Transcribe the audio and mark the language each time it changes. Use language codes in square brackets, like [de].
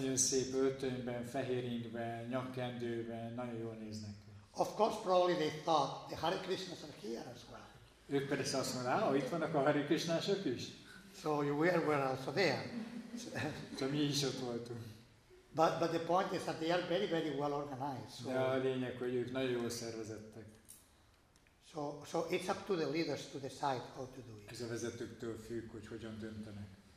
[hu] Nagyon szép öltönyben, fehér ingben, nyakkendőben, nagyon jól néznek. [en] Of course, probably they thought the Hare Krishnas are here as well. [hu] Ők persze azt mondták, hogy itt vannak a Hare Krishnások is. [en] So you were also there. [hu] So mi is ott voltunk. [en] But the point is that they are very, very well organized. So. [hu] De a lényeg, hogy ők nagyon jól szervezettek. [en] So it's up to the leaders to decide how to do it. [hu] Ez a vezetőktől függ, hogy hogyan döntenek.